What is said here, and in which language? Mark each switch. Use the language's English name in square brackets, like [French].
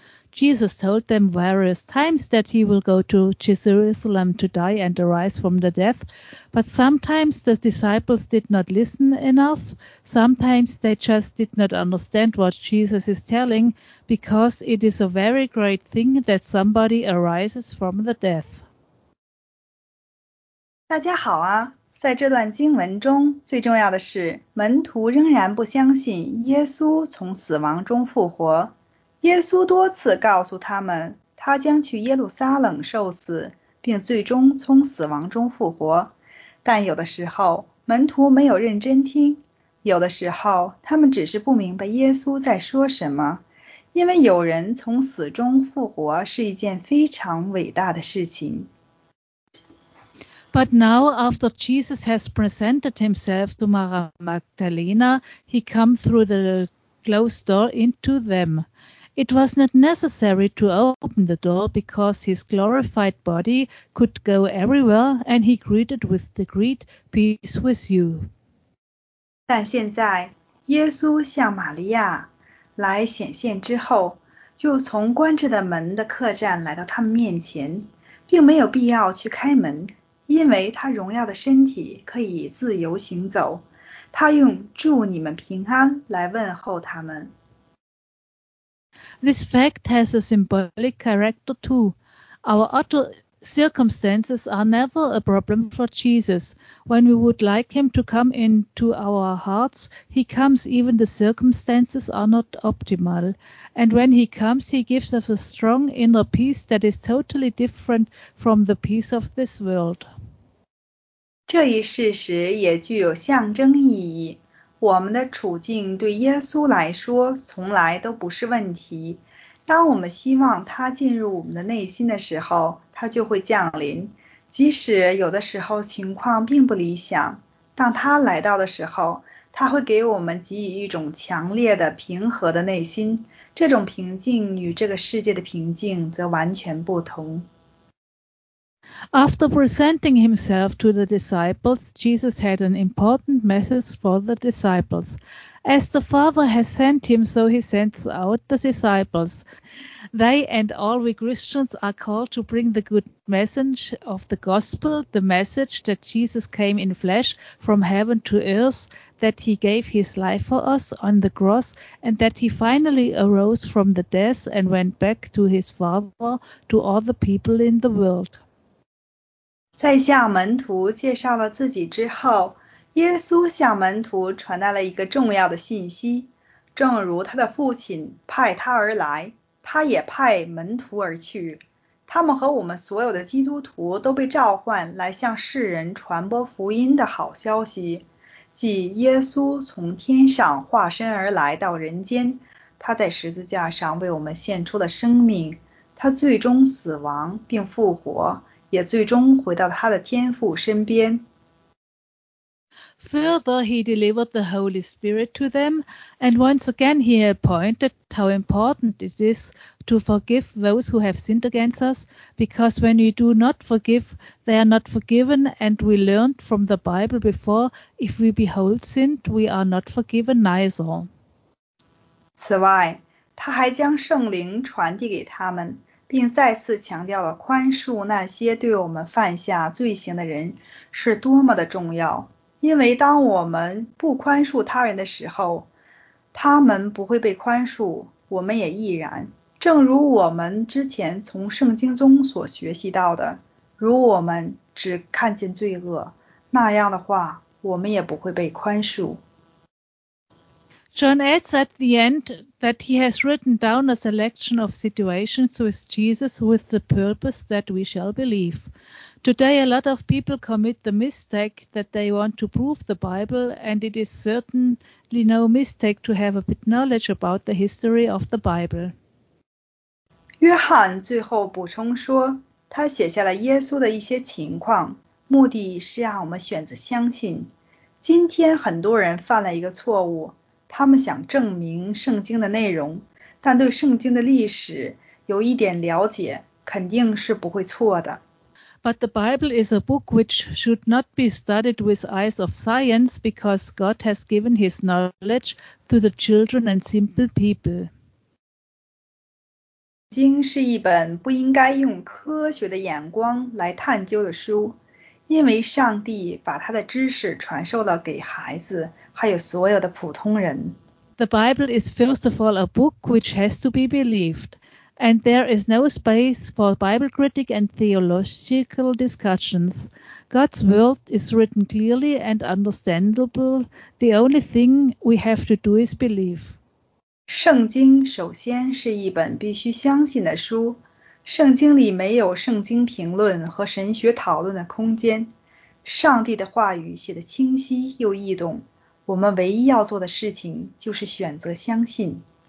[English] Jesus told them various times that he will go to Jerusalem to die and arise from the dead, but sometimes the disciples did not listen enough. Sometimes they just did not understand what Jesus is telling, because it is a very great thing that somebody arises from the dead. [Chinese] 大家好啊，在这段经文中，最重要的是门徒仍然不相信耶稣从死亡中复活。耶稣多次告诉他们，他将去耶路撒冷受死，并最终从死亡中复活。但有的时候，门徒没有认真听，有的时候，他们只是不明白耶稣在说什么。因为有人从死中复活是一件非常伟大的事情。 [English] But now, after Jesus has presented himself to Mary Magdalene, he comes through the closed door into them. It was not necessary to open the door because his glorified body could go everywhere, and he greeted with the greet, "Peace with you." [Chinese] 但现在，耶稣向玛利亚来显现之后，就从关着的门的客栈来到他们面前，并没有必要去开门。因为他荣耀的身体可以自由行走，他用祝你们平安来问候他们。 [English] This fact has a symbolic character too. Our outer circumstances are never a problem for Jesus. When we would like him to come into our hearts, he comes even the circumstances are not optimal. And when he comes, he gives us a strong inner peace that is totally different from the peace of this world. [Chinese] 这一事实也具有象征意义。我们的处境对耶稣来说从来都不是问题。当我们希望他进入我们的内心的时候，他就会降临。即使有的时候情况并不理想，当他来到的时候，它会给我们给予一种强烈的平和的内心，这种平静与这个世界的平静则完全不同。 [English] After presenting himself to the disciples, Jesus had an important message for the disciples. As the Father has sent him, so he sends out the disciples. They and all we Christians are called to bring the good message of the gospel, the message that Jesus came in flesh from heaven to earth, that he gave his life for us on the cross, and that he finally arose from the death and went back to his Father, to all the people in the world. [Chinese] 在向门徒介绍了自己之后，耶稣向门徒传达了一个重要的信息，正如他的父亲派他而来，他也派门徒而去，他们和我们所有的基督徒都被召唤来向世人传播福音的好消息，即耶稣从天上化身而来到人间，他在十字架上为我们献出了生命，他最终死亡并复活，也最终回到他的天父身边。 [English] Further, he delivered the Holy Spirit to them, and once again he appointed how important it is to forgive those who have sinned against us, because when we do not forgive, they are not forgiven, and we learned from the Bible before, if we behold sin, we are not forgiven neither. [Chinese] 此外，他还将圣灵传递给他们，并再次强调了宽恕那些对我们犯下罪行的人是多么的重要。因为当我们不宽恕他人的时候，他们不会被宽恕，我们也亦然。正如我们之前从圣经中所学习到的，如我们只看见罪恶，那样的话，我们也不会被宽恕。 [English] John adds at the end that he has written down a selection of situations with Jesus with the purpose that we shall believe. Today, a lot of people commit the mistake that they want to prove the Bible, and it is certainly no mistake to have a bit knowledge about the history of the Bible. [Chinese] 约翰最后补充说，他写下了耶稣的一些情况，目的是让我们选择相信。今天很多人犯了一个错误，他们想证明圣经的内容，但对圣经的历史有一点了解，肯定是不会错的。 [English] But the Bible is a book which should not be studied with eyes of science because God has given his knowledge to the children and simple people. [Chinese] 圣经是一本不应该用科学的眼光来探究的书，因为上帝把他的知识传授了给孩子，还有所有的普通人。 [English] The Bible is first of all a book which has to be believed. And there is no space for Bible critic and theological discussions. God's word is written clearly and understandable. The only thing we have to do is believe. [Chinese] 圣经首先是一本必须相信的书。圣经里没有圣经评论和神学讨论的空间。上帝的话语写得清晰又易懂。我们唯一要做的事情就是选择相信。